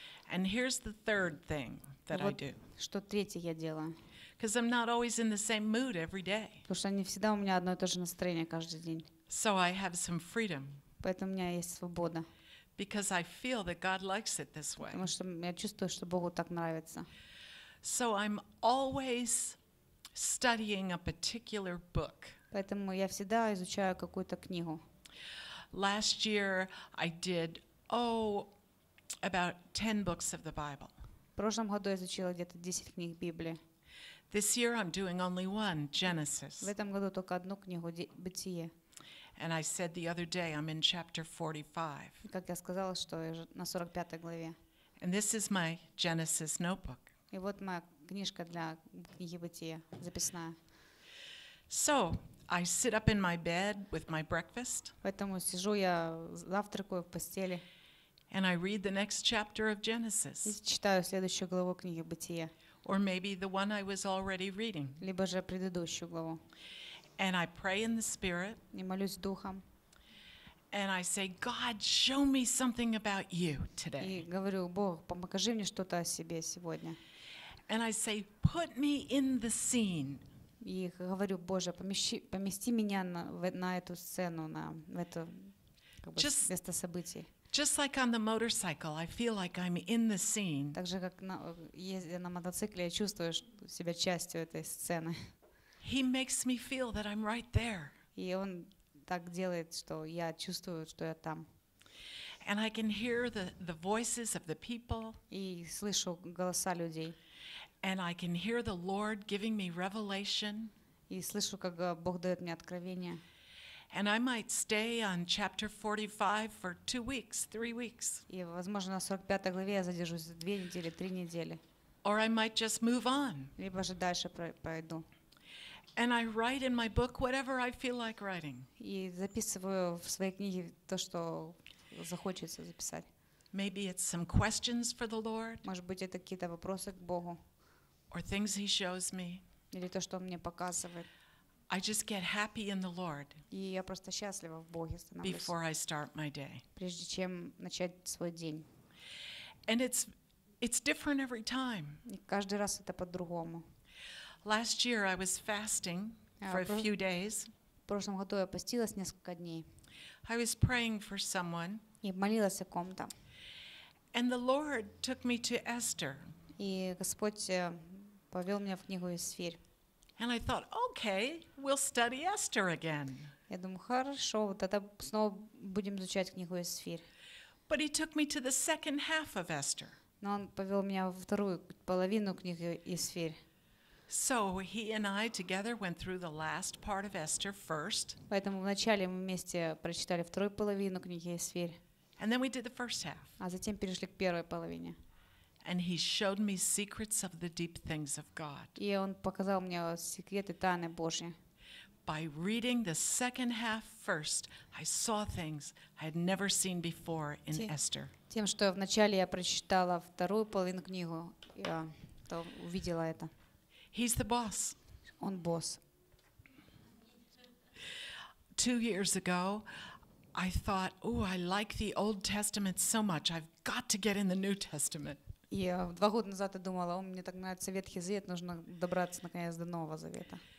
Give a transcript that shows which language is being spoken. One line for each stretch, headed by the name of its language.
English: And here's the third thing that
Russian: вот
English: I do.
Russian: Что третье я делаю?
English: Because I'm not always in the same mood every day.
Russian: Потому что не всегда у меня одно и то же настроение каждый день.
English: So I have some freedom.
Russian: Поэтому у меня есть свобода.
English: Because I feel that God likes it this way.
Russian: Потому что я чувствую, что Богу так нравится.
English: So I'm always studying a particular book.
Russian: Поэтому я всегда изучаю какую-то книгу.
English: Last year I did about 10 books of the Bible.
Russian: В прошлом году я изучила где-то 10 книг Библии.
English: This year I'm doing only one, Genesis.
Russian: В этом году только одну книгу Бытие.
English: And I said the other day I'm in chapter 45.
Russian: Как я сказала, что я на 45 главе.
English: And this is my Genesis notebook.
Russian: И вот моя книжка для книги Бытие, записная.
English: So, I sit up in my bed with my breakfast.
Russian: Поэтому сижу я завтракаю в постели.
English: And I read the next chapter of Genesis.
Russian: И читаю следующую главу книги Бытие.
English: Or maybe the one I was already reading.
Russian: Либо же предыдущую главу.
English: And I pray in the spirit.
Russian: И молюсь духом.
English: And I say, God, show me something about you today.
Russian: И говорю: Бог, покажи мне что-то о себе сегодня.
English: And I say, put me in the scene.
Russian: И говорю: Боже, помести меня на эту сцену, на это место событий.
English: Just like on the motorcycle, I feel like I'm in the scene.
Russian: Так же, как ездя на мотоцикле, я чувствую себя частью этой сцены.
English: He makes me feel that I'm right there.
Russian: И он так делает, что я чувствую, что я там.
English: And I can hear the voices of the people.
Russian: И слышу голоса людей.
English: And I can hear the Lord giving me revelation.
Russian: И слышу, как Бог дает мне откровение.
English: And I might stay on chapter 45 for 2 weeks, 3 weeks.
Russian: И возможно, на 45 главе я задержусь 2 недели, 3 недели.
English: Or I might just move on.
Russian: Либо же дальше пойду.
English: And I write in my book whatever I feel like writing.
Russian: И записываю в своей книге то, что захочется записать.
English: Maybe it's some questions for the Lord.
Russian: Может быть, это какие-то вопросы к Богу.
English: Or things he shows me.
Russian: Или то, что он мне показывает.
English: I just get happy in the Lord.
Russian: И я просто счастлива в Боге становлюсь.
English: Before I start my day.
Russian: Прежде чем начать свой день.
English: And it's different every time.
Russian: И каждый раз это по-другому.
English: Last year I was fasting for a few days.
Russian: В прошлом году я постилась несколько дней.
English: I was praying for someone.
Russian: И молилась о ком-то.
English: And the Lord took me to Esther.
Russian: И Господь повел меня в книгу Эстер.
English: And I thought, okay, we'll study Esther again.
Russian: Я думаю, хорошо, тогда снова будем изучать книгу Эстер.
English: But he took me to the second half of Esther.
Russian: Но он повел меня во вторую половину книги Эстер.
English: So he and I together went through the last part of Esther first.
Russian: Поэтому вначале мы вместе прочитали вторую половину книги Эстер.
English: And then we did the first half.
Russian: А затем перешли к первой половине.
English: And he showed me secrets of the deep things of God.
Russian: И он показал мне секреты тайны Божьей.
English: By reading the second half first, I saw things I had never seen before in Esther.
Russian: Тем, что вначале я прочитала вторую половину книгу, я то увидела это.
English: He's the boss.
Russian: Он босс.
English: 2 years ago, I thought, "Oh, I like the Old Testament so much. I've got to get in the New Testament."
Russian: И 2 года назад я думала, мне так нравится Ветхий Завет, нужно добраться наконец до Нового Завета.